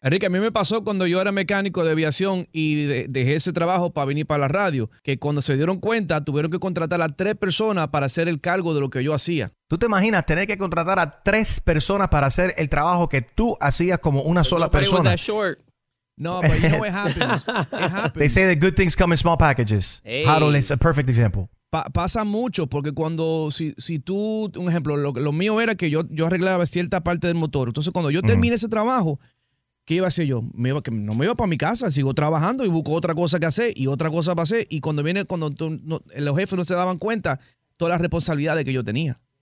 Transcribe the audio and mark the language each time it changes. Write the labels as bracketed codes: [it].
[es] Enrique, a mí me pasó cuando yo era mecánico de aviación y dejé ese trabajo para venir para la radio, que cuando se dieron cuenta tuvieron que contratar a 3 personas para hacer el cargo de lo que yo hacía. ¿Tú te imaginas tener que contratar a 3 personas para hacer el trabajo que tú hacías como una sola persona? [en] Was that short? No, but you know what happens. They say that good things come in small packages. Hey. Harold is a perfect example. [es] pasa mucho, porque cuando, si tú, un ejemplo, lo mío era que yo arreglaba cierta parte del motor. Entonces, cuando yo terminé ese trabajo, ¿qué iba a hacer yo? No me iba para mi casa, sigo trabajando y busco otra cosa que hacer y otra cosa para hacer. Y cuando viene, los jefes no se daban cuenta todas las responsabilidades que yo tenía.